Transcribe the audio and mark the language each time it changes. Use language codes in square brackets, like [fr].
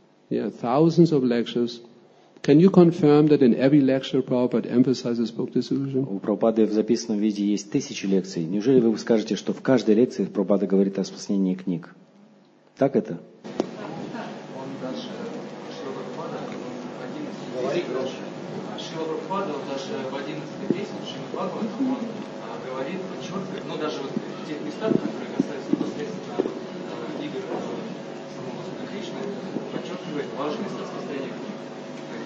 [en] Yeah, thousands of lectures. Can you confirm that in every lecture Prabhupada emphasizes book distribution? [ru] У Прабхупады в записанном виде есть тысячи лекций. Неужели вы скажете, что в каждой лекции Прабхупада говорит о распространении книг? Так это? Он даже Шрила Прабхупада, один из людей, Шрила Прабхупада, даже в 11-й песне Шрила Прабхупада, он говорит, подчеркивает, но даже вот в тех местах, которые касаются непосредственно книги самого Господа Кришны, подчеркивает важность распространения книг.